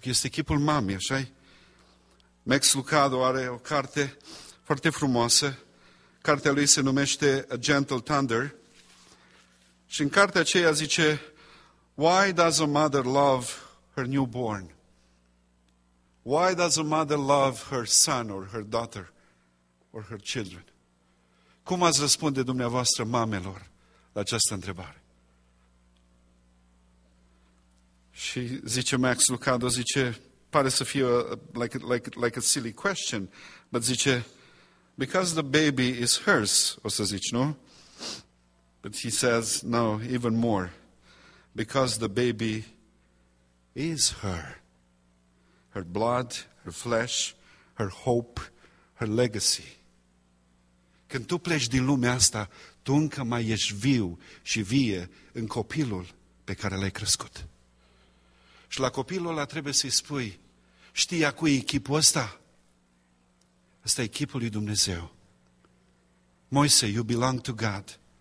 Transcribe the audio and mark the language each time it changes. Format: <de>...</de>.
<ro>Este chipul mamei, așa-i? Max Lucado are o carte foarte frumoasă. Cartea lui se numește A Gentle Thunder. Și în cartea aceea zice,</ro> <en>Why does a mother love her newborn? Why does a mother love her son or her daughter or her children?</en> <ro>Cum ați răspunde dumneavoastră mamelor la această întrebare? Și zice Max Lucado, zice, pare să fie</ro> <en>like a silly question,</en> <ro>but zice,</ro> <en>because the baby is hers,</en> <ro>o să zici, nu?</ro> <en>But he says, no, even more, because the baby is her. her blood, her flesh, her hope, her legacy.</en> <ro>Când tu pleci din lumea asta, tu încă mai ești viu și vie în copilul pe care l-ai crescut. Și la copilul ăla trebuie să-i spui, știi a cui e chipul ăsta? Ăsta e chipul lui Dumnezeu. Moise,</ro> <en>you belong to God.</en>